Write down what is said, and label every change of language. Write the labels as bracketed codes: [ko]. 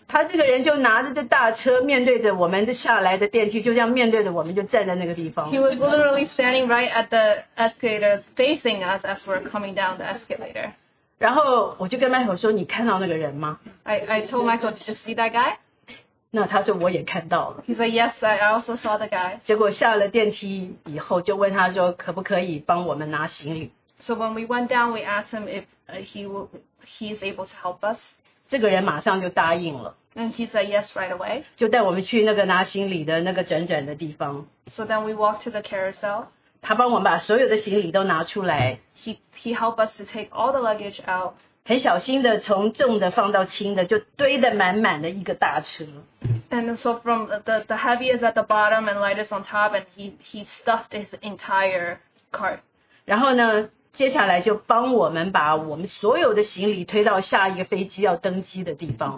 [zh] 他这个人就拿着这大车，面对着我们的下来的电梯，就这样面对着我们，就站在那个地方。 [en] He was literally standing right at the escalator, facing us as we're coming down the escalator. [zh] 然后我就跟 Michael 说：“你看到那个人吗？” [en] I told Michael, "Did you see that guy?" [zh] 那他说我也看到了。 [en] He said, "Yes, I also saw the guy." [zh] 结果下了电梯以后，就问他说：“可不可以帮我们拿行李？” [en] So when we went down, we asked him if he is able to help us. [zh] 这个人马上就答应了。 [en] And he said yes right away. [zh] 就带我们去那个拿行李的那个转转的地方。 [en] So then we walked to the carousel. [zh] 他帮我们把所有的行李都拿出来。 [en] He helped us to take all the luggage out. [zh] 很小心的从重的放到轻的，就堆得满满的一个大车。 [en] And so from the heaviest at the bottom and lightest on top, and he stuffed his entire cart. [zh] 然后呢？接下来就帮我们把我们所有的行李推到下一个飞机要登机的地方。